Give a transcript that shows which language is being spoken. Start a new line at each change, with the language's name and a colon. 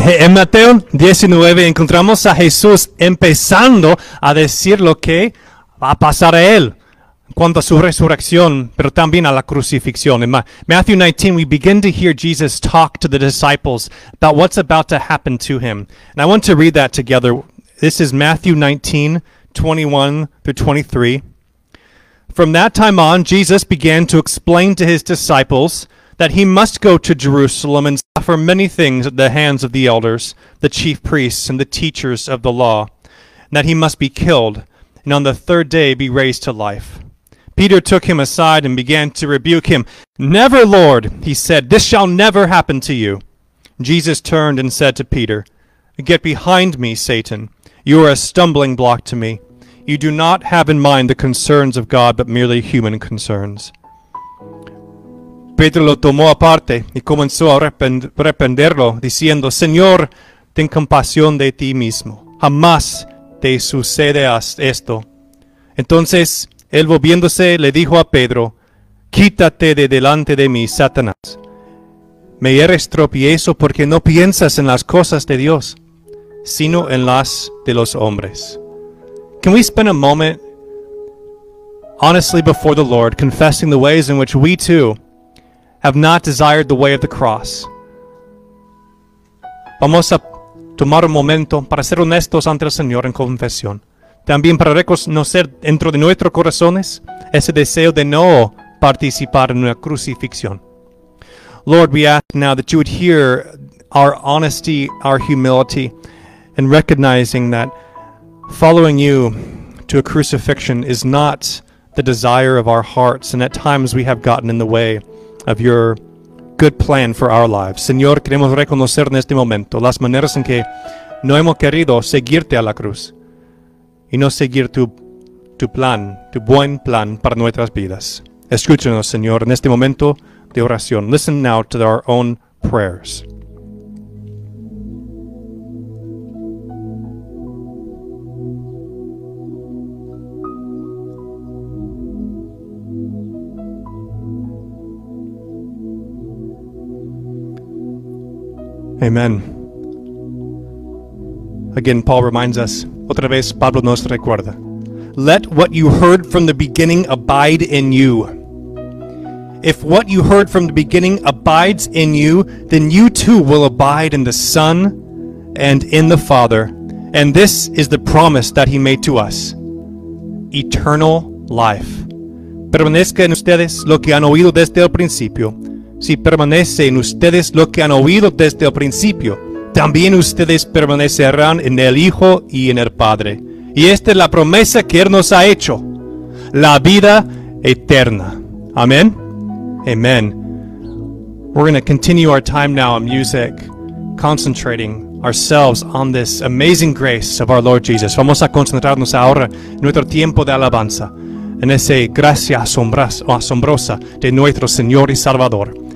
Spanish: En Mateo 19 encontramos a Jesús empezando a decir lo que va a pasar a él en cuanto a su resurrección, pero también a la crucifixión.
English: En Matthew 19, we begin to hear Jesus talk to the disciples about what's about to happen to him. And I want to read that together. This is Matthew 19, 21-23. From that time on, Jesus began to explain to his disciples that he must go to Jerusalem and suffer many things at the hands of the elders, the chief priests, and the teachers of the law, and that he must be killed, and on the third day be raised to life. Peter took him aside and began to rebuke him. Never, Lord, he said, this shall never happen to you. Jesus turned and said to Peter, get behind me, Satan. You are a stumbling block to me. You do not have in mind the concerns of God, but merely human concerns.
Spanish: Pedro lo tomó aparte y comenzó a reprenderlo, diciendo, Señor, ten compasión de ti mismo. Jamás te suceda esto. Entonces él volviéndose le dijo a Pedro, quítate de delante de mí, Satanás. Me eres tropiezo porque no piensas en las cosas de Dios, sino en las de los hombres.
English: Can we spend a moment honestly before the Lord, confessing the ways in which we too have not desired the way of the cross?
Spanish: Vamos a tomar un momento para ser honestos ante el Señor en confesión. También para reconocer dentro de nuestros corazones ese deseo de no participar en una crucifixión.
English: Lord, we ask now that you would hear our honesty, our humility, and recognizing that following you to a crucifixion is not the desire of our hearts, and at times we have gotten in the way of your good plan for our lives.
Spanish: Señor, queremos reconocer en este momento las maneras en que no hemos querido seguirte a la cruz y no seguir tu plan, tu buen plan para nuestras vidas. Escúchanos, Señor, en este momento de oración.
English: Listen now to our own prayers. Amen. Again, Paul reminds us.
Spanish: Otra vez, Pablo nos recuerda.
English: Let what you heard from the beginning abide in you. If what you heard from the beginning abides in you, then you too will abide in the Son and in the Father. And this is the promise that he made to us. Eternal life.
Spanish: Permanezca en ustedes lo que han oído desde el principio. Si permanece en ustedes lo que han oído desde el principio, también ustedes permanecerán en el Hijo y en el Padre. Y esta es la promesa que Él nos ha hecho, la vida eterna. Amén. Amén.
English: We're going to continue our time now in music, concentrating ourselves on this amazing grace of our Lord Jesus.
Spanish: Vamos a concentrarnos ahora en nuestro tiempo de alabanza, en esa gracia asombrosa de nuestro Señor y Salvador.